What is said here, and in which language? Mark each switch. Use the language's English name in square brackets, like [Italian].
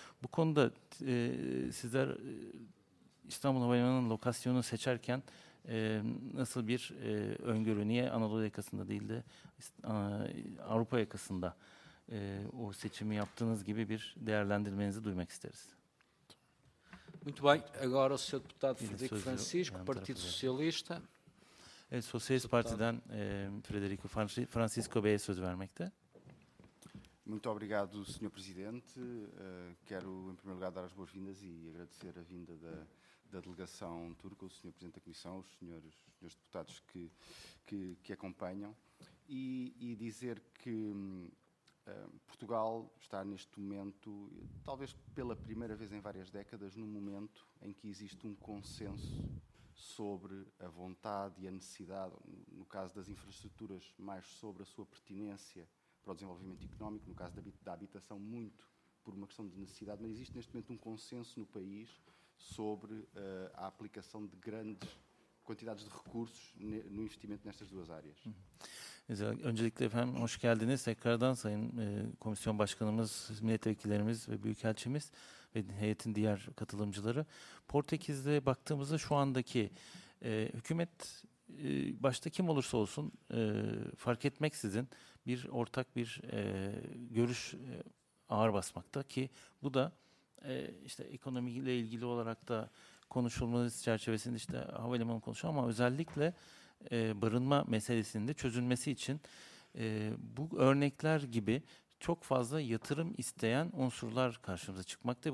[Turkish] Bu konuda sizler İstanbul Havalimanı'nın lokasyonunu seçerken nasıl bir öngörü, niye Anadolu yakasında değil de Avrupa yakasında o seçimi yaptığınız gibi bir değerlendirmenizi duymak isteriz. [Portuguese] Muito bem, agora o senhor deputado Frederico Francisco, Partido Socialista. [Turkish] Sosyalist Parti'den Frederico Francisco Bey'e söz vermekte. [Portuguese] Muito obrigado, senhor presidente. Quero em primeiro lugar dar as boas-vindas e agradecer a vinda da delegação turca, o senhor presidente da comissão, os senhores deputados que acompanham, e dizer que Portugal está neste momento, talvez pela primeira vez em várias décadas, num momento em que existe um consenso sobre a vontade e a necessidade, no caso das infraestruturas, mais sobre a sua pertinência para o desenvolvimento económico, no caso da habitação, muito por uma questão de necessidade, mas existe neste momento um consenso no país sobre a aplicação de grandes quantidades de recursos no investimento nestas duas áreas. [Turkish] Öncelikle efendim hoş geldiniz. Tekrardan sayın komisyon başkanımız, milletvekillerimiz ve büyükelçimiz ve heyetin diğer katılımcıları. Portekiz'de baktığımızda şu andaki hükümet, başta kim olursa olsun fark etmeksizin bir ortak bir görüş ağır basmakta, ki bu da işte ekonomiyle ilgili olarak da konuşulması çerçevesinde, işte havalimanı konuşuyor ama özellikle barınma meselesinin de çözülmesi için bu örnekler gibi çok fazla yatırım isteyen unsurlar karşımıza çıkmakta.